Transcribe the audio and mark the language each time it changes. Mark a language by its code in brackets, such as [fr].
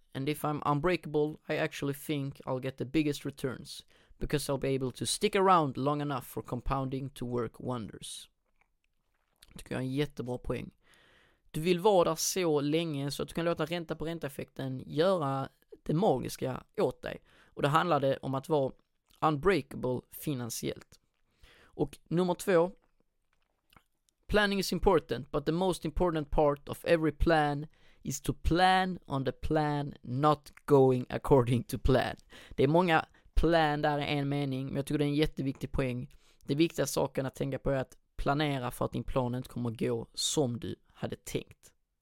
[en] And if I'm unbreakable, I actually think I'll get the biggest returns, because I'll be able to stick around long enough for compounding to work wonders." [sv] Det tycker jag är en jättebra poäng. Du vill vara där så länge så att du kan låta ränta på ränta-effekten göra det magiska åt dig. Och det handlade om att vara unbreakable finansiellt. Och nummer två: [en] "Planning is important, but the most important part of every plan is to plan on the plan not going according to plan." [sv] Det är många plan där i en mening, men jag tycker det är en jätteviktig poäng. Det viktiga saken att tänka på är att planera för att din plan inte kommer gå som du hade tänkt.